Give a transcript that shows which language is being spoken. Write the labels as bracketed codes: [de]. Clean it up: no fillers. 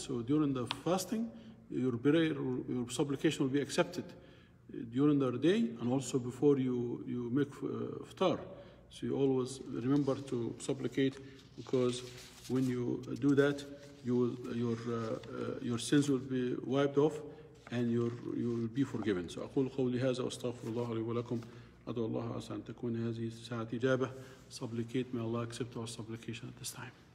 [en] So during the fasting, your prayer, your supplication will be accepted during the day, and also before you make iftar. So you always remember to supplicate, because when you do that, your sins will be wiped off, and you will be forgiven. [ar] So أقول قولي هذا واستغفر الله لي ولكم أدعو الله عسى أن تكون هذه ساعة إجابة. [en] Supplicate, may Allah accept our supplication at this time.